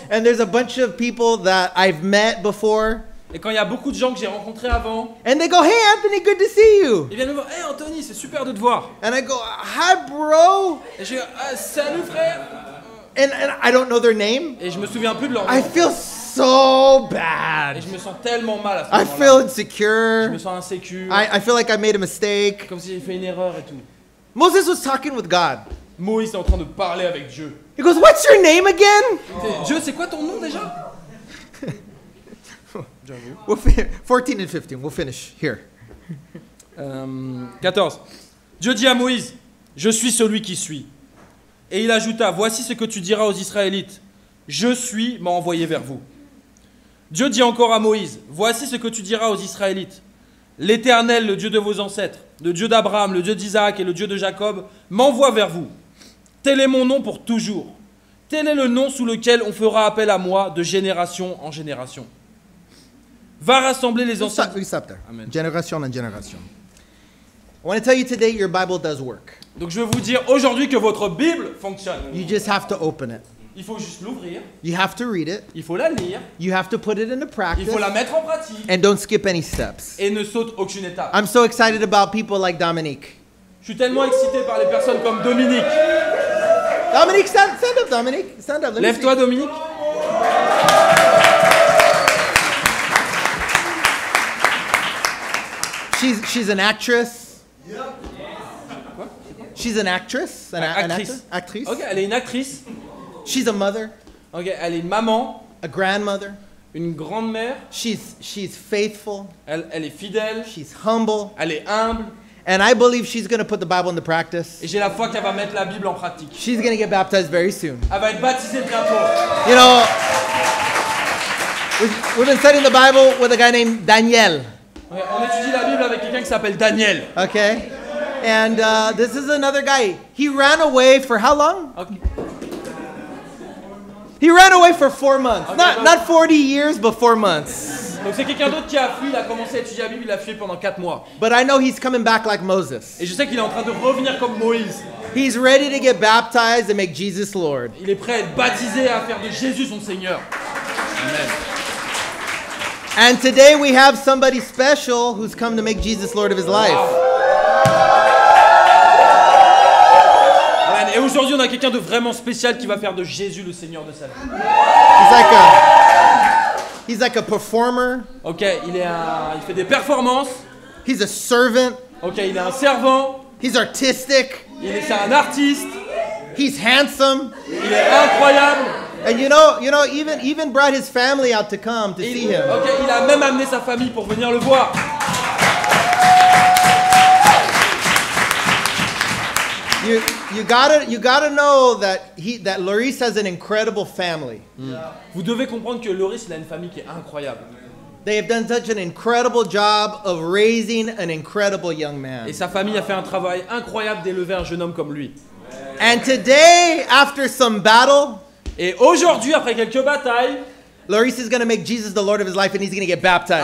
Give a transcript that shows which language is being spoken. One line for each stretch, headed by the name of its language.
English: and there's a bunch of people that I've met before,
French: et quand il y a beaucoup de gens que j'ai rencontrés avant,
English: and they go, hey Anthony, good to see you.
French: Ils viennent me voir, hey Anthony, c'est super de te voir.
English: And I go, hi bro.
French: Et je dis, salut frère.
English: And I don't know their name.
French: Et je me souviens plus de leur nom.
English: I feel so bad.
French: Et je me sens tellement mal à ce moment-là.
English: I feel insecure.
French: Je me sens insécure.
English: I feel like I made a mistake.
French: Comme si j'ai fait une erreur et tout.
English: Moses was talking with God.
French: Moïse est en train de parler avec Dieu.
English: He goes, what's your name again?
French: Dieu, c'est quoi ton nom déjà?
English: We'll 14 and 15, we'll finish here. 14.
French: Dieu dit à Moïse, je suis celui qui suis. Et il ajouta, voici ce que tu diras aux Israélites. Je suis m'a envoyé vers vous. Dieu dit encore à Moïse, voici ce que tu diras aux Israélites. L'Éternel, le Dieu de vos ancêtres, le Dieu d'Abraham, le Dieu d'Isaac et le Dieu de Jacob, m'envoie vers vous. Tel est mon nom pour toujours. Tel est le nom sous lequel on fera appel à moi de génération en génération. Va rassembler les ancêtres.
English: We stop there. Amen.
French: Génération en génération.
English: I want to tell you today your Bible does work.
French: Donc je veux vous dire aujourd'hui que votre Bible fonctionne.
English: You just have to open it.
French: Il faut juste l'ouvrir.
English: You have to read it.
French: Il faut la lire.
English: You have to put it into practice.
French: Il faut la mettre en pratique.
English: And don't skip any steps.
French: Et ne saute aucune étape.
English: I'm so excited about people like Dominique.
French: Je suis tellement excité par les personnes comme Dominique.
English: Dominique, stand up, Dominique. Stand up.
French: Lève-toi, Dominique.
English: She's an actress. She's an actress.
French: Actrice. Okay, elle est une actrice.
English: She's a mother.
French: Okay, elle est une maman.
English: A grandmother.
French: Une grand-mère.
English: She's faithful.
French: Elle est fidèle.
English: She's humble.
French: Elle est humble.
English: And I believe she's going to put the Bible into practice.
French: Et j'ai la foi qu'elle va mettre la Bible en pratique.
English: She's going to get baptized very soon.
French: Elle va être baptisée bientôt.
English: You know, we've been studying the Bible with a guy named Daniel.
French: Okay, on étudie la Bible avec quelqu'un qui s'appelle Daniel.
English: Okay. And this is another guy. He ran away for how long? Okay. He ran away for 4 months. Okay, not 40 years, but 4 months.
French: Donc c'est quelqu'un d'autre qui a fui, il a commencé à étudier la Bible, il a fui pendant 4 mois.
English: But I know he's coming back like Moses.
French: Et je sais qu'il est en train de revenir comme Moïse.
English: He's ready to get baptized and make Jesus Lord.
French: Il est prêt à être baptisé et à faire de Jésus son Seigneur. Amen.
English: And today we have somebody special who's come to make Jesus Lord of his life. Amen.
French: Et aujourd'hui on a quelqu'un de vraiment spécial qui va faire de Jésus le Seigneur de sa vie.
English: He's like a performer.
French: Okay, il fait des performances.
English: He's a servant.
French: Okay, il est un servant.
English: He's artistic.
French: C'est un artiste.
English: He's handsome.
French: Il est incroyable.
English: And you know, even brought his family out to come to see him.
French: Okay, il a même amené sa famille pour venir le voir.
English: You gotta know that Loris has an incredible family.
French: Vous devez comprendre que Loris a une famille qui est incroyable.
English: They have done such an incredible job of raising an incredible young man.
French: Et sa famille a fait un travail incroyable d'élever un jeune homme comme lui.
English: And today, after some battle.
French: Et aujourd'hui, après quelques batailles,
English: Loris is going to make Jesus the Lord of his life and he's going to get baptized.